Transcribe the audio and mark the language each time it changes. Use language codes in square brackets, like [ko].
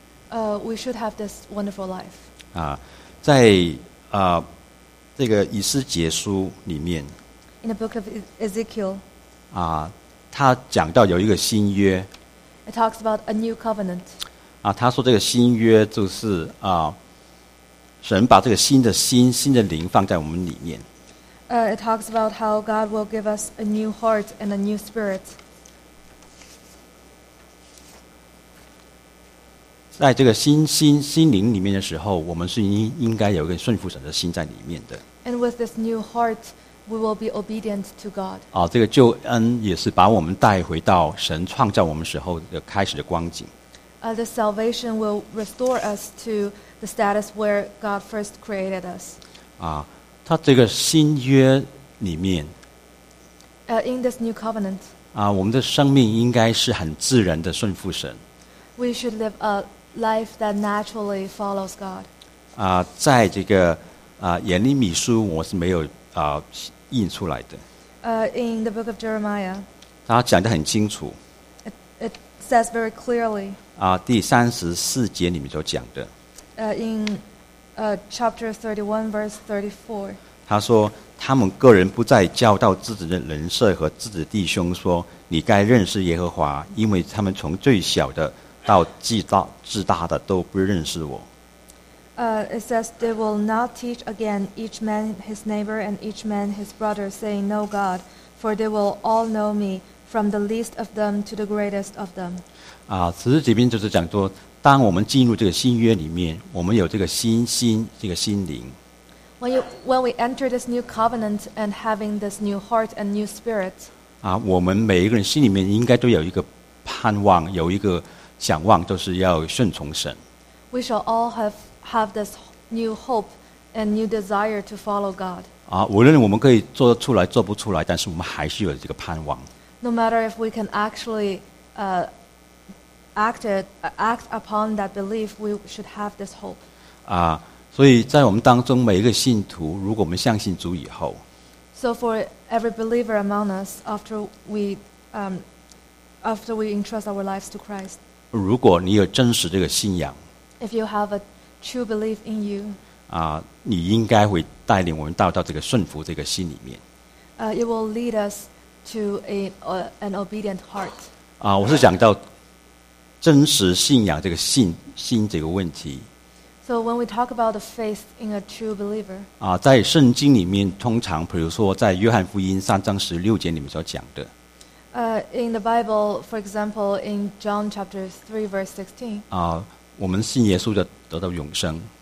[en] We should have this wonderful life. [zh] 在这个以斯结书里面 [en] ，In the book of Ezekiel, [zh] 他讲到有一个新约。 [en] It talks about a new covenant. [zh] 他说这个新约就是。神把这个新的心、新的灵放在我们里面。 [en] It talks about how God will give us a new heart and a new spirit. [zh] 在这个新灵里面的时候，我们是应该有一个顺服神的心在里面的。 [en] And with this new heart, we will be obedient to God. [zh] 这个救恩也是把我们带回到神创造我们时候的开始的光景。 [en] the salvation will restore us to the status where God first created us. [zh] 啊，他这个新约里面。 [en] In this new covenant. [zh] 啊，我们的生命应该是很自然的顺服神。 [en] We should live a life that naturally follows God. [zh] 啊，在这个啊，耶利米书我是没有啊印出来的。 [en] In the book of Jeremiah. [zh] 他讲得很清楚。 [en] It says very clearly. [zh] 啊，第三十四节里面所讲的。 [en] In chapter 31, verse 34. [zh] 他说。他们个人不再教导自己的邻舍和自己的弟兄说你该认识耶和华因为他们从最小的到至大的都不认识我、 [en] It says they will not teach again each man his neighbor and each man his brother saying know God for they will all know me from the least of them to the greatest of them、 [zh] 此时这边就是讲说当我们进入这个新约里面我们有这个新心这个心灵 [en] When we enter this new covenant and having this new heart and new spirit, [zh] 啊，我们每一个人心里面应该都有一个盼望，有一个想望，就是要顺从神。 [en] We shall all have this new hope and new desire to follow God. [zh] 啊，无论我们可以做出来做不出来，但是我们还是有这个盼望。 [en] No matter if we can actually act upon that belief, we should have this hope. 啊。 [zh] 所以在我们当中每一个信徒如果我们相信主以后 [en] So for every believer among us after we entrust our lives to Christ [zh] 如果你有真实这个信仰 [en] If you have a true belief in you [zh] 啊，你应该会带领我们到这个顺服这个心里面 [en] It will lead us to an obedient heart [zh] 啊，我是讲到真实信仰这个信这个问题 [en] So when we talk about the faith in a true believer, [zh] 啊，在圣经里面，通常比如说在约翰福音三章十六节里面所讲的。 [en] In the Bible, for example, in John chapter 3, verse 16. [zh] 啊，我们信耶稣的得到永生。